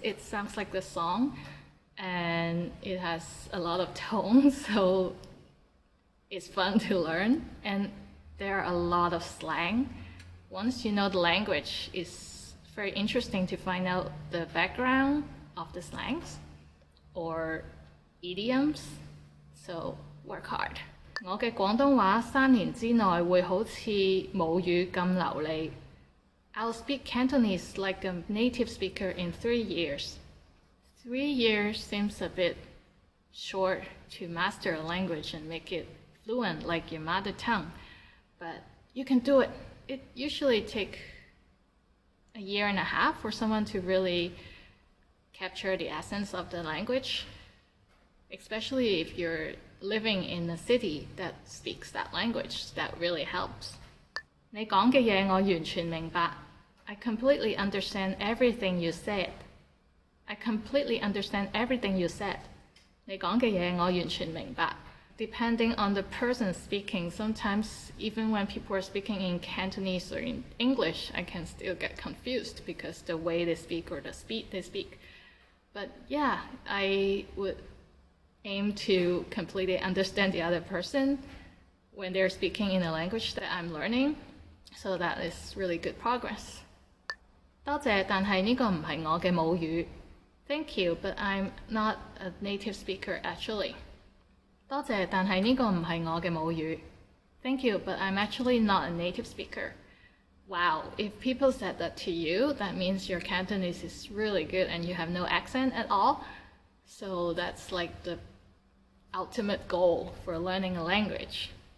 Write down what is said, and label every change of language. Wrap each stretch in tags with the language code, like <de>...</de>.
<en>It sounds like the song, and it has a lot of tones, so it's fun to learn. And there are a lot of slang. Once you know the language, it's very interesting to find out the background of the slangs or idioms. So work hard.</en> <yue>我嘅廣東話三年之內會好似母語咁流利。</yue> <en>I'll speak Cantonese like a native speaker in 3 years. 3 years seems a bit short to master a language and make it fluent like your mother tongue, but you can do it. It usually takes 1.5 years for someone to really capture the essence of the language, especially if you're living in a city that speaks that language. That really helps.</en> <yue>你講嘅嘢我完全明白。</yue> <en>I completely understand everything you said. I completely understand everything you said.</en> <yue>你講嘅嘢我完全明白。</yue> <en>Depending on the person speaking, sometimes even when people are speaking in Cantonese or in English, I can still get confused because the way they speak or the speed they speak. But yeah, I would aim to completely understand the other person when they're speaking in a language that I'm learning. So that is really good progress.</en> <yue>多謝，但係呢個唔係我嘅母語。</yue> <en>Thank you, but I'm not a native speaker actually.</en> <yue>多謝，但係呢個唔係我嘅母語。</yue> <en>Thank you, but I'm actually not a native speaker. Wow, if people said that to you, that means your Cantonese is really good and you have no accent at all. So that's like the ultimate goal for learning a language.</en>